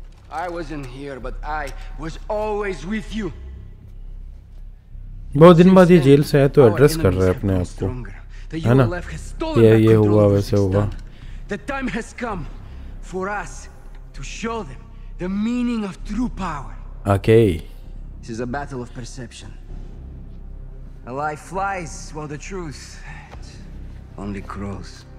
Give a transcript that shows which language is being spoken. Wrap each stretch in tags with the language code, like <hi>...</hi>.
<en>I wasn't here, but I was always with you.</en> <hi>बहुत दिन बाद ये जेल से है तो एड्रेस कर रहे हैं अपने आप को, है ना? ये हुआ वैसे हुआ.</hi> <en>The time has come for us to show them the meaning of true power. Okay. This is a battle of perception. A lie flies while the truth only crawls.</en>